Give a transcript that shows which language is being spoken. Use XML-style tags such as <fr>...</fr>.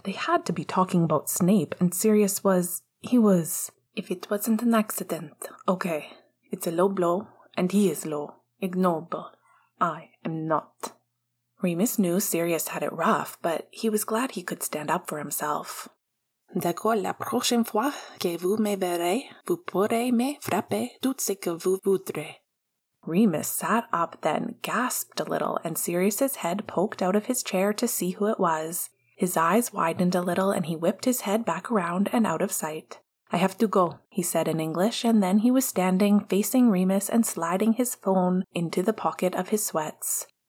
<en>They had to be talking about Snape, and Sirius was... He was... If it wasn't an accident, okay. It's a low blow, and he is low. Ignoble. I am not. Remus knew Sirius had it rough, but he was glad he could stand up for himself.</en> <fr>D'accord, la prochaine fois que vous me verrez, vous pourrez me frapper tout ce que vous voudrez.</fr> <en>Remus sat up then, gasped a little, and Sirius's head poked out of his chair to see who it was. His eyes widened a little, and he whipped his head back around and out of sight. I have to go, he said in English, and then he was standing, facing Remus and sliding his phone into the pocket of his sweats.</en>